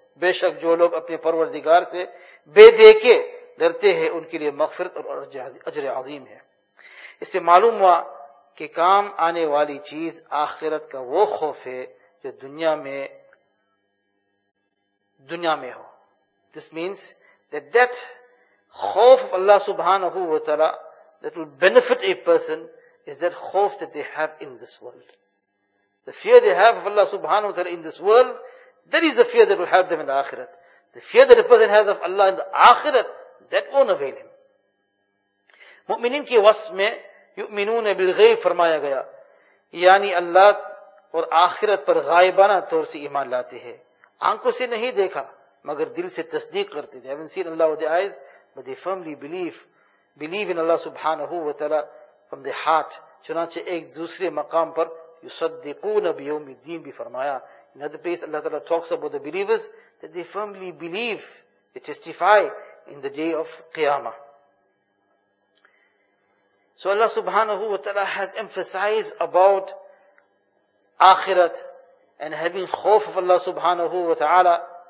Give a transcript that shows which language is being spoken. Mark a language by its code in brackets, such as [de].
[ur] بے شک جو لوگ اپنے پروردگار سے بے دیکھے ڈرتے ہیں ان کے لیے مغفرت اور اجر عظیم ہے. اس سے معلوم ہوا کہ کام آنے والی چیز آخرت کا وہ خوف ہے جو دنیا میں ہو. [en] This means that that خوف of Allah subhanahu wa ta'ala that will benefit a person is that خوف that they have in this world. The fear they have of Allah subhanahu wa ta'ala in this world, that is the fear that will help them in the akhirat. The fear that a person has of Allah in the akhirat, that won't avail him. [ur] مؤمنین کی وصف میں یؤمنون بالغیب فرمایا گیا، یعنی اللہ اور آخرت پر غائبانہ طور سے ایمان لاتے ہیں، آنکھوں سے نہیں دیکھا مگر دل سے تصدیق کرتے ہیں. [en] They haven't seen Allah with the eyes, but they firmly believe in Allah subhanahu wa ta'ala from the heart. [ur] چنانچہ ایک دوسرے مقام پر یصدقون بیوم الدین بھی فرمایا. [en] In other place Allah ta'ala talks about the believers that they firmly believe, they testify in the day of qiyamah. So Allah subhanahu wa ta'ala has emphasized about akhirat and having khawf of Allah subhanahu wa ta'ala.